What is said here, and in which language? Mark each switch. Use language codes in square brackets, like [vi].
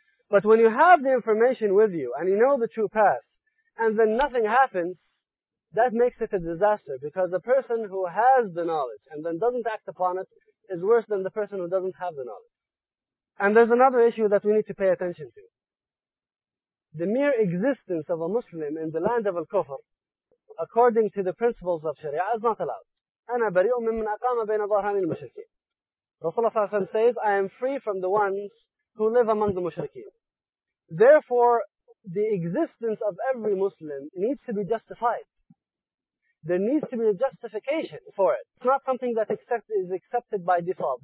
[en] But when you have the information with you and you know the true path and then nothing happens, that makes it a disaster because the person who has the knowledge and then doesn't act upon it is worse than the person who doesn't have the knowledge. And there's another issue that we need to pay attention to. The mere existence of a Muslim in the land of Al-Kufr, according to the principles of Sharia, is not allowed. [ar] أنا بريء ممن أقام بين ظهران المشركين. [en] Rasulullah صلى الله عليه وسلم says, I am free from the ones who live among the mushrikeen. Therefore, the existence of every Muslim needs to be justified. There needs to be a justification for it. It's not something that is accepted by default.